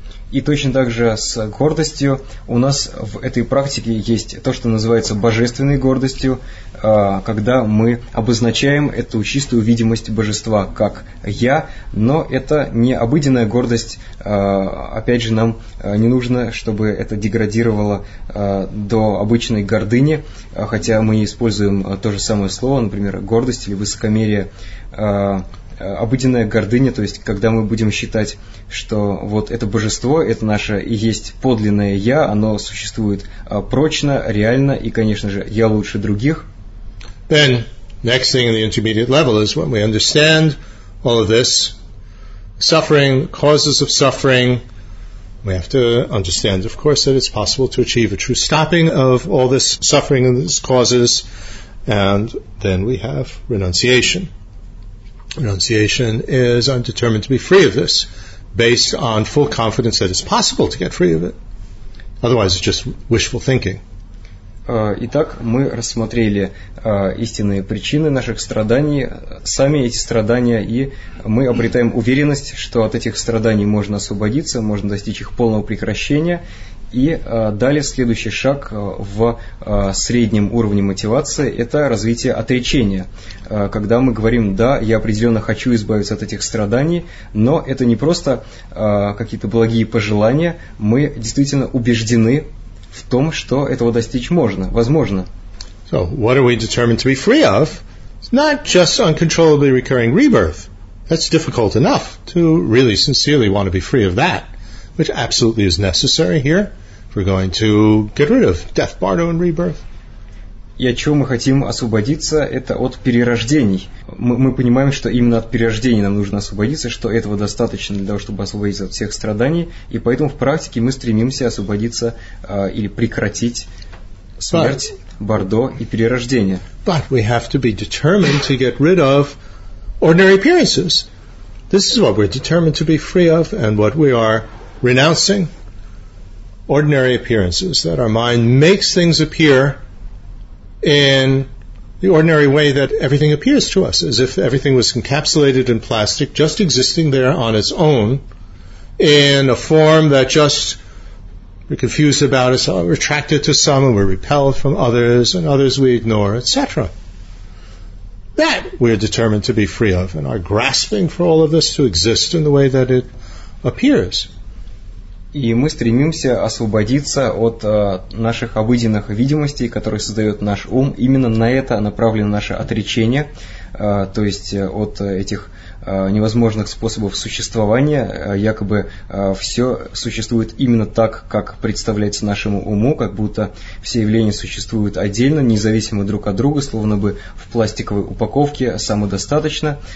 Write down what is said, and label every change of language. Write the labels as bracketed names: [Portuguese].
[Russian] И точно так же с гордостью у нас в этой практике есть то, что называется божественной гордостью, когда мы обозначаем эту чистую видимость божества как «я», но это не обыденная гордость, опять же, нам не нужно, чтобы это деградировало до обычной гордыни, хотя мы используем то же самое слово, например, «гордость» или «высокомерие». Обыденная гордыня, то есть когда мы будем считать, что вот это божество, это наше и есть подлинное «я», оно существует прочно, реально, и, конечно же, «я лучше других». [English] Then, next thing in the intermediate level is when we understand all of this, suffering, causes of suffering, we have to understand, of course, that it's possible to achieve a true stopping of all this suffering and these causes, and then we have renunciation. Renunciation is I'm determined to be free of this based on full confidence that it's possible to get free of it. Otherwise, it's just wishful thinking. [Russian] Итак, мы рассмотрели истинные причины наших страданий, сами эти страдания, и мы обретаем уверенность, что от этих страданий можно освободиться, можно достичь их полного прекращения. И далее следующий шаг в среднем уровне мотивации – это развитие отречения. Когда мы говорим «да, я определенно хочу избавиться от этих страданий», но это не просто какие-то благие пожелания, мы действительно убеждены в том, что этого достичь можно, возможно. [English] So, what are we determined to be free of? It's not just uncontrollably recurring rebirth. That's difficult enough to really sincerely want to be free of that. Which absolutely is necessary here if we're going to get rid of death, bardo, and rebirth. [Russian] И от чего мы хотим освободиться, это от перерождений. Мы понимаем, что именно от перерождений нам нужно освободиться, что этого достаточно для того, чтобы освободиться от всех страданий, и поэтому в практике мы стремимся освободиться или прекратить смерть, бардо и перерождение. [English] But we have to be determined to get rid of ordinary appearances. This is what we're determined to be free of and what we are renouncing ordinary appearances, that our mind makes things appear in the ordinary way that everything appears to us, as if everything was encapsulated in plastic, just existing there on its own, in a form that just we're confused about, us, we're attracted to some, and we're repelled from others, and others we ignore, etc. That we're determined to be free of, and are grasping for all of this to exist in the way that it appears. [Russian] И мы стремимся освободиться от наших обыденных видимостей, которые создает наш ум. Именно на это направлено наше отречение, то есть от этих невозможных способов существования. Якобы все существует именно так, как представляется нашему уму, как будто все явления существуют отдельно, независимо друг от друга, словно бы в пластиковой упаковке, самодостаточно.